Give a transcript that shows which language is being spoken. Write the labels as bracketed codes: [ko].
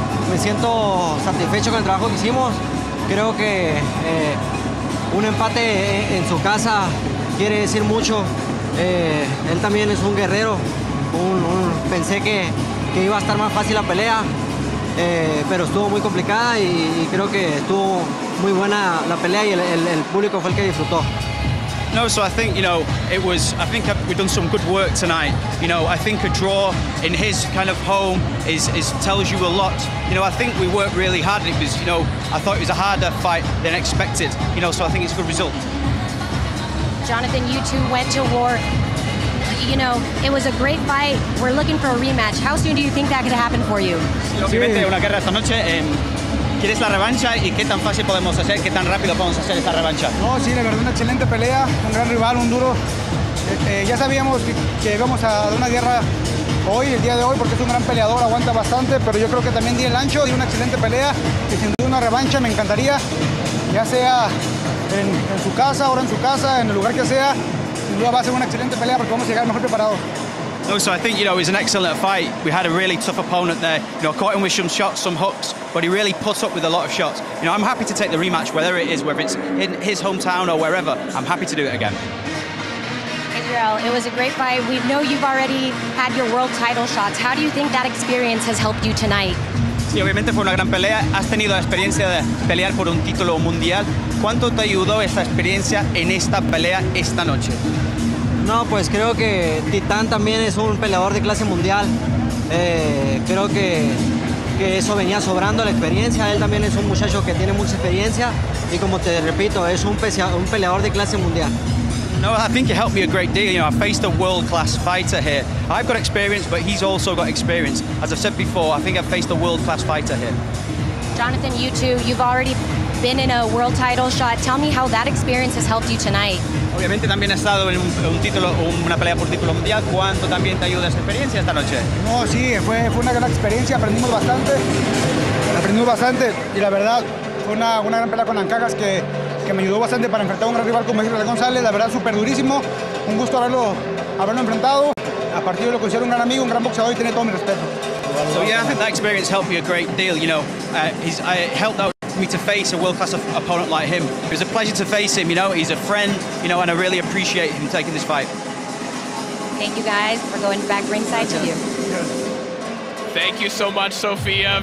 [es] Me siento satisfecho con el trabajo que hicimos. Creo que un empate en su casa quiere decir mucho. Él también es un guerrero. Pensé que iba a estar más fácil la pelea, pero estuvo muy complicada y creo que estuvo muy buena la pelea y el público fue el que disfrutó. [en] No, so I think, you know, we've done some good work tonight. You know, I think a draw in his kind of home is tells you a lot. You know, I think we worked really hard. It was, you know, I thought it was a harder fight than expected. You know, so I think it's a good result. Jonathan, you two went to war. You know, it was a great fight. We're looking for a rematch. How soon do you think that could happen for you? [es] Obviamente, una guerra esta noche. ¿Quieres la revancha y qué tan fácil podemos hacer, qué tan rápido podemos hacer esta revancha? No, sí, la verdad, una excelente pelea, un gran rival, un duro. Ya sabíamos que íbamos a dar una guerra hoy, el día de hoy, porque es un gran peleador, aguanta bastante, pero yo creo que también di el ancho, di una excelente pelea y sin duda una revancha, me encantaría, ya sea en su casa, ahora en su casa, en el lugar que sea, sin duda va a ser una excelente pelea porque vamos a llegar mejor preparados. [en] No, so I think, you know, it was an excellent fight. We had a really tough opponent there, you know, caught him with some shots, some hooks, but he really put up with a lot of shots. You know, I'm happy to take the rematch, whether it is, whether it's in his hometown or wherever, I'm happy to do it again. Israel, it was a great fight. We know you've already had your world title shots. How do you think that experience has helped you tonight? [es] Sí, obviamente fue una gran pelea. Has tenido la experiencia de pelear por un título mundial. ¿Cuánto te ayudó esta experiencia en esta pelea esta noche? No, pues creo que Titán también es un peleador de clase mundial. Creo que eso venía sobrando la experiencia. Él también es un muchacho que tiene mucha experiencia. Y como te repito, es un peleador de clase mundial. [en] No, I think it helped me a great deal. You know, I faced a world-class fighter here. I've got experience, but he's also got experience. As I've said before, I think I've faced a world-class fighter here. Jonathan, you too. You've already been in a world title shot. Tell me how that experience has helped you tonight. [es] Obviamente también has estado en un título, una pelea por título mundial. ¿Cuánto también te ayuda esa experiencia esta noche? No, sí, fue una gran experiencia. Aprendimos bastante. Y la verdad, fue una gran pelea con Ancagas que me ayudó bastante para enfrentar a un gran rival como Israel González. La verdad, súper durísimo. Un gusto haberlo enfrentado. A partir de lo considero un gran amigo, un gran boxeador y tiene todo mi respeto. [en] So yeah, I think that experience helped me a great deal. You know, it helped out me to face a world-class opponent like him. It was a pleasure to face him. You know, he's a friend. You know, and I really appreciate him taking this fight. Thank you, guys, for going back ringside to you. Thank you so much, Sophia.